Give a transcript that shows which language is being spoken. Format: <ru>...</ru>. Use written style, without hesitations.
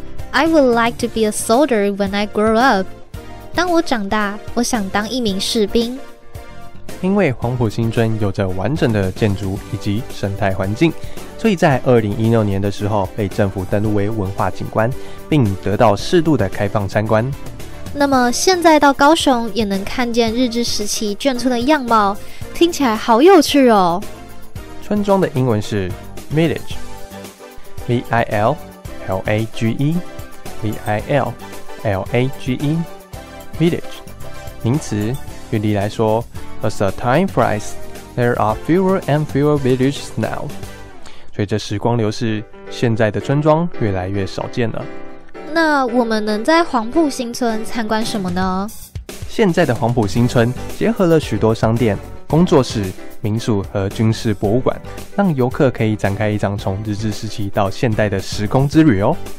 <en>I would like to be a soldier when I grow up.</en> <zh>当我长大，我想当一名士兵。因为黄埔新村有着完整的建筑以及生态环境，所以在2016年的时候被政府登录为文化景观，并得到适度的开放参观。那么现在到高雄也能看见日治时期眷村的样貌，听起来好有趣哦。村庄的英文是 village, V-I-L-L-A-G-E, village, 名词，举例来说 ，</zh> <en>As the time flies, there are fewer and fewer villages now.</en> <zh>随着时光流逝，现在的村庄越来越少见了。那我们能在黄埔新村参观什么呢？现在的黄埔新村结合了许多商店、工作室、民宿和军事博物馆，让游客可以展开一场从日治时期到现代的时空之旅哦。</zh>